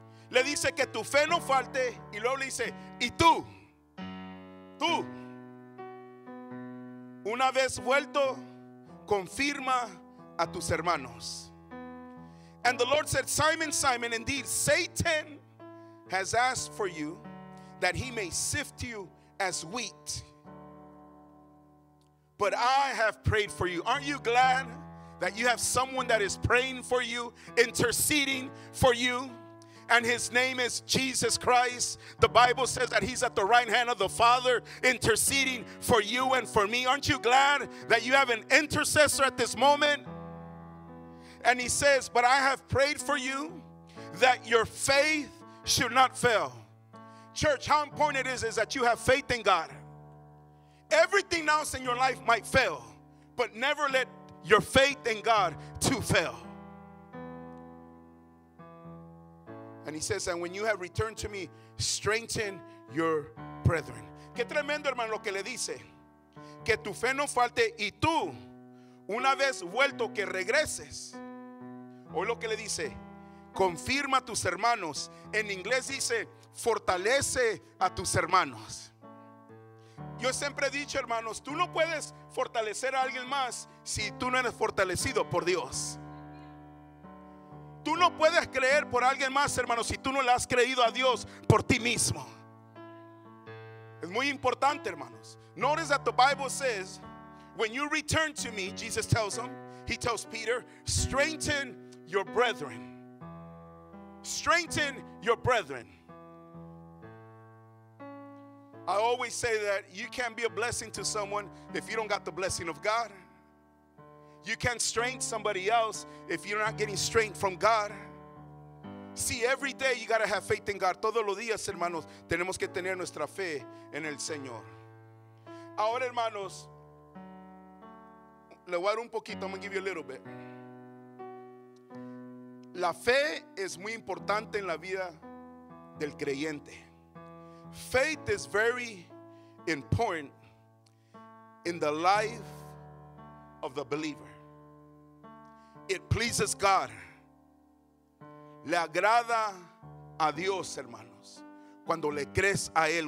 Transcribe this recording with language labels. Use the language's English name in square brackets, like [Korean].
[Spanish] Le dice que tu fe no falte. Y luego le dice, y tú, una vez vuelto, confirma a tus hermanos. [English] And the Lord said, Simon, Simon, indeed Satan has asked for you that he may sift you as wheat. But I have prayed for you. Aren't you glad that you have someone that is praying for you, interceding for you? And his name is Jesus Christ. The Bible says that he's at the right hand of the Father, interceding for you and for me. Aren't you glad that you have an intercessor at this moment? And he says, but I have prayed for you that your faith should not fail. Church, how important it is that you have faith in God. Everything else in your life might fail, but never let your faith in God to fail. And he says, and when you have returned to me, strengthen your brethren. [Spanish] Qué tremendo, hermano, lo que le dice. Que tu fe no falte y tú, una vez vuelto, que regreses. Oye lo que le dice. Confirma a tus hermanos. En inglés dice, fortalece a tus hermanos. Yo siempre he dicho, hermanos, tú no puedes fortalecer a alguien más si tú no eres fortalecido por Dios. Tú no puedes creer por alguien más, hermano, si tú no le has creído a Dios por ti mismo. Es muy importante, hermanos. [English] Notice that the Bible says, when you return to me, Jesus tells them, he tells Peter, strengthen your brethren. Strengthen your brethren. I always say that you can't be a blessing to someone if you don't got the blessing of God. You can't strengthen somebody else if you're not getting strength from God. See, every day you got to have faith in God. [Spanish] Todos los días, hermanos, tenemos que tener nuestra fe en el Señor. Ahora, hermanos, le voy a dar un poquito. [English] I'm going to give you a little bit. [Spanish] La fe es muy importante en la vida del creyente. [English] Faith is very important in the life of the believer. It pleases God. [Spanish] Le agrada a Dios, hermanos, cuando le crees a Él.